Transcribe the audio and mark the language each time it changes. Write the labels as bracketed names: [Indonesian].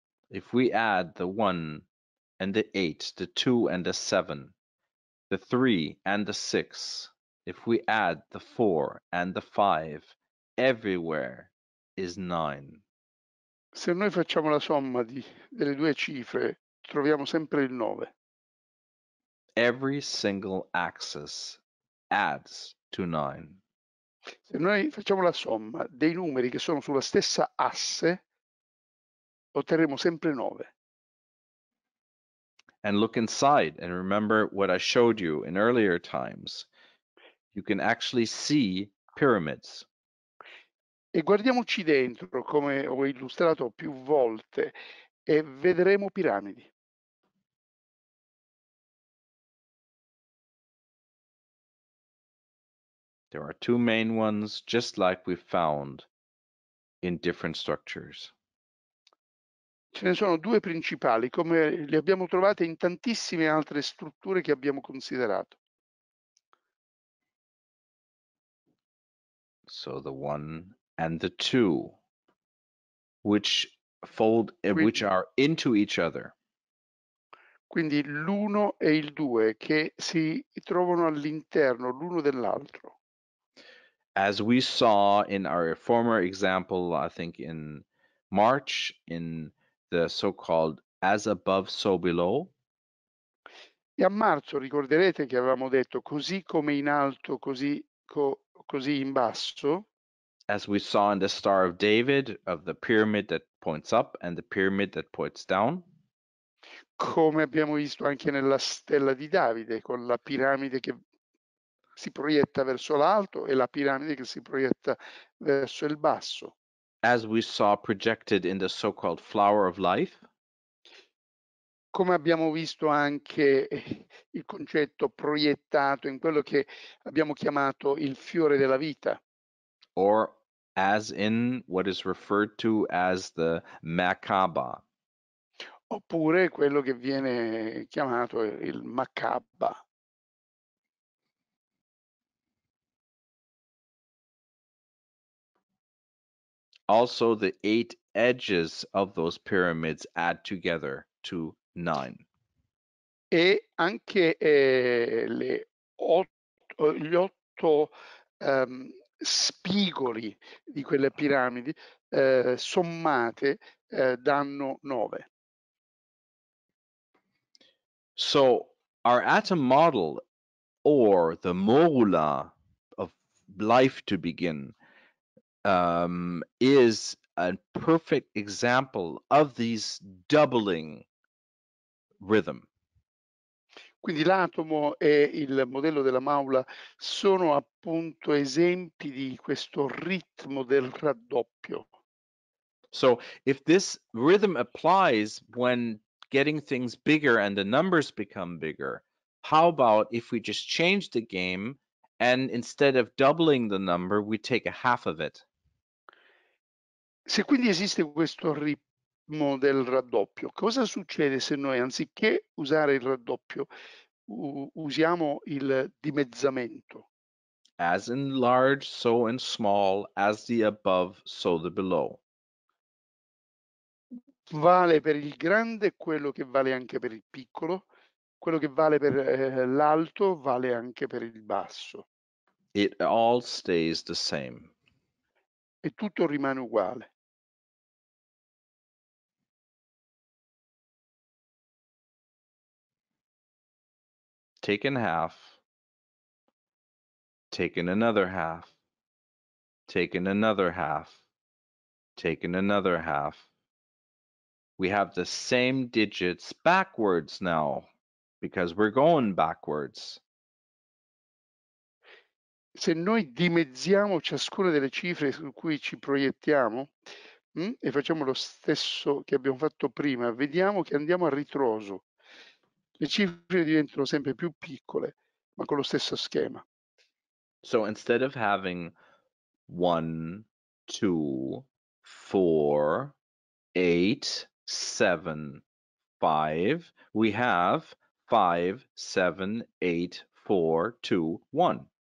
[English] If we add the 1 and the 8, the 2 and the 7, the 3 and the 6, if we add the 4 and the 5, everywhere is 9. [Italian] Se noi facciamo la somma delle due cifre, troviamo sempre il 9. [English] Every single axis adds to 9. [Italian] Se noi facciamo la somma dei numeri che sono sulla stessa asse, otterremo sempre 9. [English] And look inside and remember what I showed you in earlier times. You can actually see pyramids. [Italian] E guardiamoci dentro, come ho illustrato più volte, e vedremo piramidi. [English] There are two main ones, just like we found in different structures. [Italian] Ce ne sono due principali, come le abbiamo trovate in tantissime altre strutture che abbiamo considerato. [English] So the one and the two, which fold, [Italian] quindi, [English] which are into each other. [Italian] Quindi l'uno e il due che si trovano all'interno l'uno dell'altro. [English] As we saw in our former example, I think in March, in the so-called as above, so below. [Italian] E a marzo ricorderete che avevamo detto così come in alto, così in basso. [English] As we saw in the Star of David, of the pyramid that points up and the pyramid that points down. [Italian] Come abbiamo visto anche nella Stella di Davide, con la piramide che si proietta verso l'alto e la piramide che si proietta verso il basso. [English] As we saw projected in the so-called flower of life. [Italian] Come abbiamo visto anche il concetto proiettato in quello che abbiamo chiamato il fiore della vita. [English] Or as in what is referred to as the macabre. [Italian] oppure quello che viene chiamato il Maccabba. [English] Also the eight edges of those pyramids add together to nine. [Italian] E anche gli otto spigoli di quelle piramidi sommate danno nove. [English] So our atom model, or the mola of life to begin, is a perfect example of these doubling rhythm. [Italian] Quindi l'atomo e il modello della maula sono appunto esempi di questo ritmo del raddoppio. [English] So if this rhythm applies when getting things bigger and the numbers become bigger, how about if we just change the game and instead of doubling the number, we take a half of it? [Italian] Se quindi esiste questo ritmo del raddoppio, cosa succede se noi, anziché usare il raddoppio, usiamo il dimezzamento? [English] As in large, so in small, as the above, so the below. [Italian] Vale per il grande quello che vale anche per il piccolo, quello che vale per l'alto vale anche per il basso. [English] It all stays the same. [Italian] E tutto rimane uguale. [English] Taken half, taken another half, taken another half, taken another half. We have the same digits backwards now, because we're going backwards. [Italian] Se noi dimezziamo ciascuna delle cifre su cui ci proiettiamo, e facciamo lo stesso che abbiamo fatto prima, vediamo che andiamo a ritroso. Le cifre diventano sempre più piccole, ma con lo stesso schema. [English] So instead of having 1, 2, 4, 8, 7, 5, we have 5, 7, 8, 4, 2, 1.